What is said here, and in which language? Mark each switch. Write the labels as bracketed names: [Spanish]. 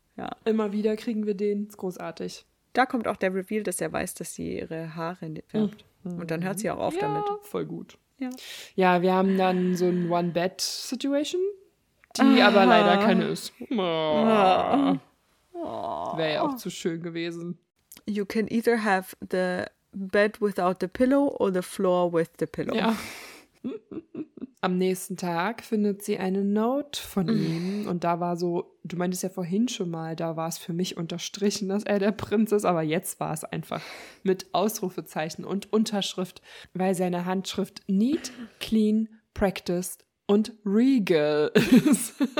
[German] Ja. Immer wieder kriegen wir den, ist großartig. Da kommt auch der Reveal, dass er weiß, dass sie ihre Haare färbt. Mhm. Und dann hört sie auch auf, ja, damit. Ja, voll gut. Ja. Ja, wir haben dann so ein One-Bed-Situation, die aber leider keine ist. Wäre ja auch zu schön gewesen. [English] You can either have the bed without the pillow or the floor with the pillow. [German] Ja. Am nächsten Tag findet sie eine Note von ihm und da war so, du meintest ja vorhin schon mal, da war es für mich unterstrichen, dass er der Prinz ist, aber jetzt war es einfach mit Ausrufezeichen und Unterschrift, weil seine Handschrift [English] neat, clean, practiced [German] und regal ist.